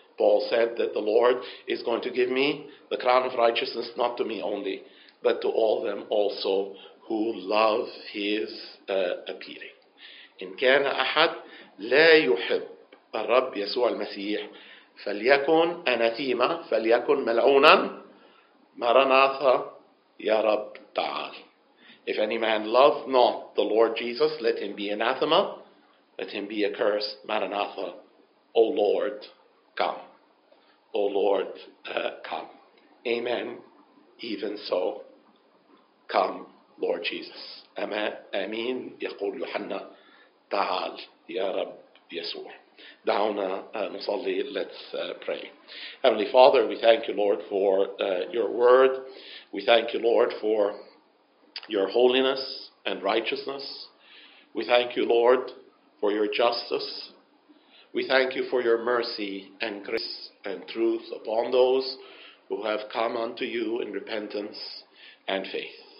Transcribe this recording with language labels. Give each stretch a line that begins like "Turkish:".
English: Paul said that the Lord is going to give me the crown of righteousness not to me only but to all them also who love his appearing.
Arabic: إن كان أحد لا يحب الرب يسوع المسيح فليكن أناتيما فليكن ملعونا مرناثا يا رب تعال.
English: If any man love not the Lord Jesus, let him be anathema, let him be accursed, Maranatha, O Lord, come. O Lord, come. Amen. Even so, come, Lord Jesus. Amen.
Arabic: يقول يوحنا تعال يا رب يسوع. دعونا نصلي.
English: Let's pray. Heavenly Father, we thank you, Lord, for your word. We thank you, Lord, for your holiness and righteousness. We thank you, Lord, for your justice. We thank you for your mercy and grace and truth upon those who have come unto you in repentance and faith.